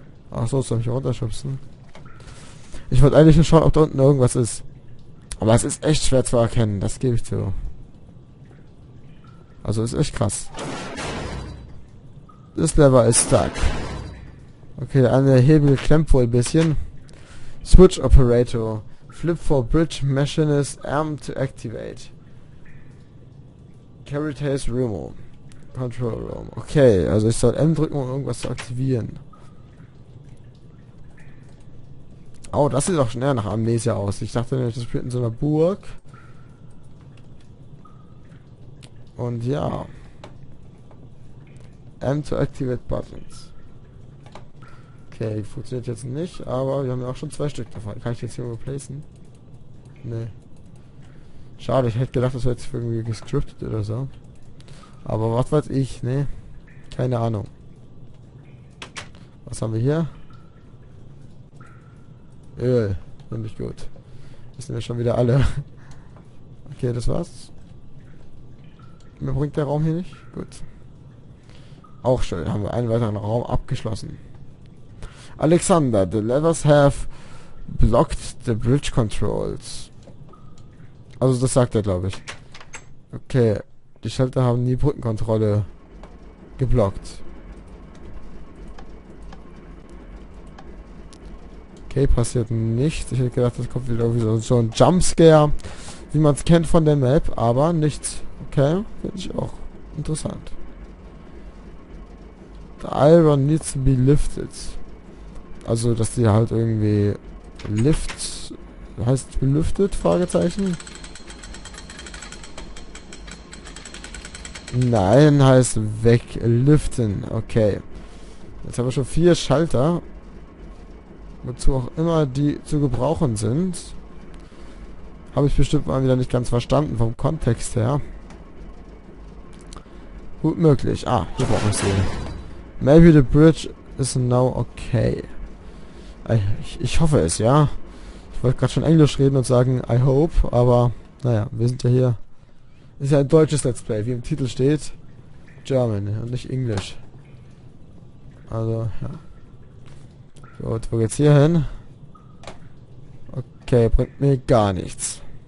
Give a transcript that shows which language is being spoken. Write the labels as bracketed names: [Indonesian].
[German] Ach so, soll ich mich runterschubsen? Ich wollte eigentlich nur schauen, ob da unten irgendwas ist. Aber es ist echt schwer zu erkennen, das gebe ich zu. Also ist echt krass. [English] This lever is stuck. [German] Okay, der eine Hebel klemmt wohl ein bisschen. [English] Switch Operator. Flip for Bridge Machinist Arm to activate. Carriage Remo. Control Room. [German] Okay, also ich soll M drücken, um irgendwas zu aktivieren. Oh, das sieht doch schon eher nach Amnesia aus. Ich dachte nämlich, das spielt in so einer Burg. Und ja. [English] M to activate buttons. [German] Okay, funktioniert jetzt nicht, aber wir haben ja auch schon zwei Stück davon. Kann ich jetzt hier replacen? Nee. Schade, ich hätte gedacht, das wäre jetzt irgendwie gescriptet oder so. Aber was weiß ich, ne? Keine Ahnung. Was haben wir hier? Öl, finde ich gut. Das sind ja schon wieder alle. Okay, das war's. Mir bringt der Raum hier nicht. Gut. Auch schön, haben wir einen weiteren Raum abgeschlossen. [English] Alexander, the levers have blocked the bridge controls. [German] Also das sagt er, glaube ich. Okay, die Schalter haben die Brückenkontrolle geblockt. Okay, passiert nichts. Ich hätte gedacht, das kommt wieder irgendwie so ein Jumpscare, wie man es kennt von der Map, aber nichts. Okay, finde ich auch interessant. [English] The iron needs to be lifted. [German] Also, dass die halt irgendwie lift, heißt belüftet, Fragezeichen. Nein, heißt wegliften. Okay. Jetzt haben wir schon vier Schalter. Wozu auch immer die zu gebrauchen sind. Habe ich bestimmt mal wieder nicht ganz verstanden vom Kontext her. Gut möglich. Ah, hier brauche ich sie. [English] Maybe the bridge is now okay. [German] Ich hoffe es, ja. Ich wollte gerade schon Englisch reden und sagen, [English] I hope, [German] aber naja, wir sind ja hier. Ist ja ein deutsches Let's Play, wie im Titel steht. German und nicht Englisch. Also, ja. Gut, wo geht's hier hin? Okay, bringt mir gar nichts.